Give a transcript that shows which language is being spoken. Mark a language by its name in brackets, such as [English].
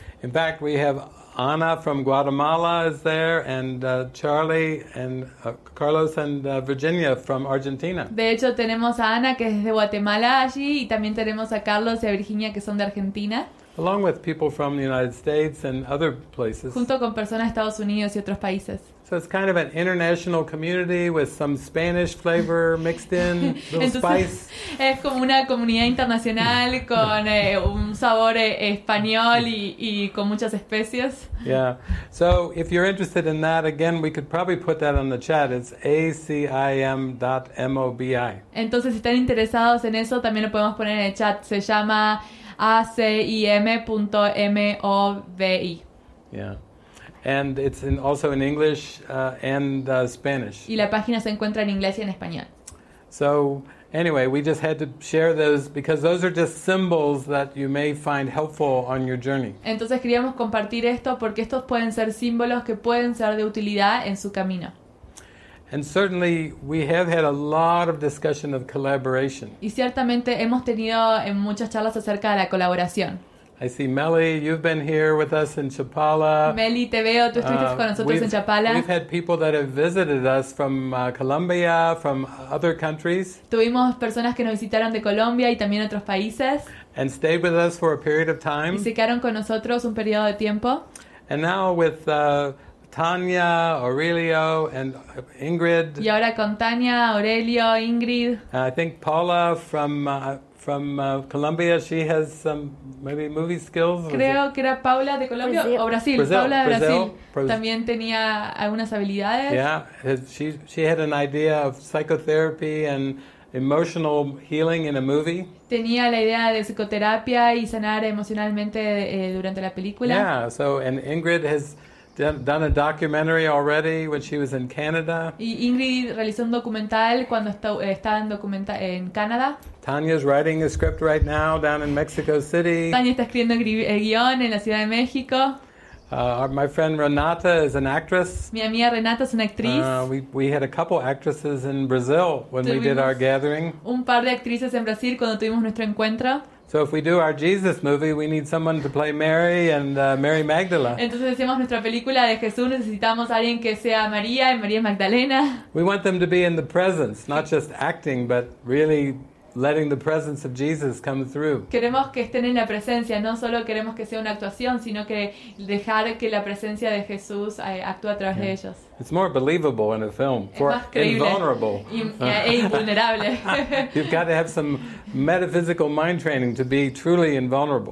[English] In fact, we have Ana from Guatemala is there, and Charlie and Carlos and Virginia from Argentina. [Spanish] De hecho, tenemos a Ana, que es de Guatemala, allí, y también tenemos a Carlos y a Virginia, que son de Argentina. [English] Along with people from the United States and other places. [Spanish] Junto con personas de Estados Unidos y otros países. [English] So it's kind of an international community with some Spanish flavor mixed in, little [Spanish] Entonces, [English] spice. [Spanish] Es como una comunidad internacional con un sabor español y con muchas especias. [English] Yeah. So if you're interested in that, again, we could probably put that on the chat. It's acim.mobi. [Spanish] Entonces, si están interesados en eso, también lo podemos poner en el chat. Se llama acim.mobi. [English] Yeah. And it's in also in English and Spanish. [Spanish] Y la página se encuentra en inglés y en español. [English] So anyway, we just had to share those because those are just symbols that you may find helpful on your journey. [Spanish] Entonces queríamos compartir esto porque estos pueden ser símbolos que pueden ser de utilidad en su camino. [English] And certainly we have had a lot of discussion of collaboration. [Spanish] Y ciertamente hemos tenido en muchas charlas acerca de la colaboración. [English] I see Meli, you've been here with us in Chapala. [Spanish] Meli, te veo, tú estuviste con nosotros en Chapala. [English] We've had people that have visited us from Colombia, from other countries. [Spanish] Tuvimos personas que nos visitaron de Colombia y también otros países. [English] And stayed with us for a period of time. [Spanish] Y se quedaron con nosotros un periodo de tiempo. [English] And now with Tania, Aurelio, and Ingrid. [Spanish] Y ahora con Tania, Aurelio, Ingrid. [English] I think Paula from Colombia, she has some maybe movie skills. [Spanish] Creo que era Paula de Colombia [English] Brazil. [Spanish] O Brasil. Paula de Brasil también tenía algunas habilidades. [English] Yeah, she had an idea of psychotherapy and emotional healing in a movie. [Spanish] Tenía la idea de psicoterapia y sanar emocionalmente durante la película. [English] Yeah, so and Ingrid has done a documentary already when she was in Canada. [Spanish] Y Ingrid realizó un documental cuando estaba en Canadá. [English] Tanya's writing a script right now down in Mexico City. [Spanish] Tania está escribiendo el guion en la Ciudad de México. [English] My friend Renata is an actress. [Spanish] Mi amiga Renata es una actriz. [English] We had a couple actresses in Brazil when [Spanish] tuvimos [English] we did our gathering. [Spanish] Un par de actrices en Brasil cuando tuvimos nuestro encuentro. [English] So if we do our Jesus movie, we need someone to play Mary and Mary Magdala. [Spanish] Entonces hacemos nuestra película de Jesús, necesitamos a alguien que sea María y María Magdalena. [English] We want them to be in the presence, not just acting, but really letting the presence of Jesus come through. [Spanish] Queremos que estén en la presencia, no solo queremos que sea una actuación, sino que dejar que la presencia de Jesús actúe a través de ellos. [English] It's more believable in a film. [Spanish] Es más creíble. [English] Invulnerable. [Spanish] Invulnerable. [English] You've got to have some metaphysical mind training to be truly invulnerable.